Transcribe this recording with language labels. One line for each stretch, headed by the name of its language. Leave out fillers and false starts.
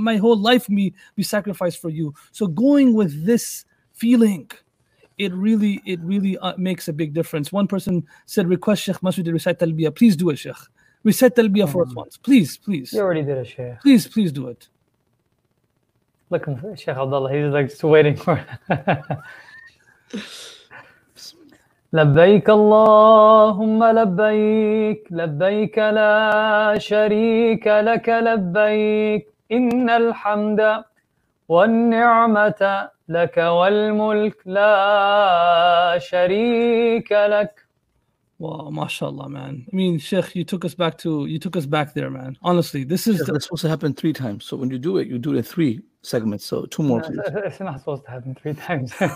English: My whole life may be sacrificed for you. So going with this feeling, it really makes a big difference. One person said, request Sheikh Masudi to recite Talbiyah. Please do it, Sheikh. Recite Talbiyah for us once. Please, please. You already did it, Sheikh. Please do it. Look, Sheikh Abdullah, he's like just waiting for it.
Arabic: لبيك اللهم لبيك لبيك لا شريك لك لبيك إن الحمد والنعمة لك والملك لا شريك لك.
English: Wow, mashallah, man. I mean, Sheikh, you took us back there, man. Honestly, this is... That's supposed to happen three times. So when you do it in three segments. So two more, please. It's not supposed to happen three times.